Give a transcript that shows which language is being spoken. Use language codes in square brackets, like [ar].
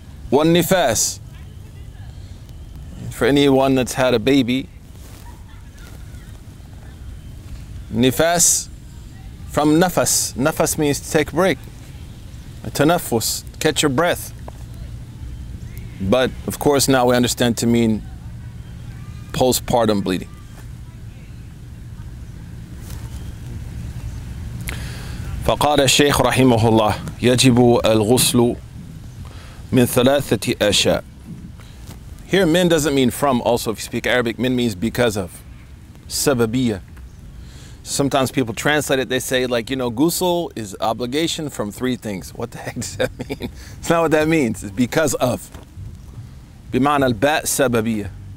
[en] Wan nifas. For anyone that's had a baby, nifas, from nafas. Nafas means to take a break. Tanafus, catch your breath. But of course now we understand to mean postpartum bleeding. [ar] فقال الشيخ رحمه الله يجب الغسل من ثلاثة أشياء. [en] Here, min doesn't mean from. Also, if you speak Arabic, min means because of. Sababiyya. Sometimes people translate it, they say, like, you know, ghusl is obligation from three things. What the heck does that mean? It's not what that means. It's because of. [ar] Bima'na al-ba' sababiyya.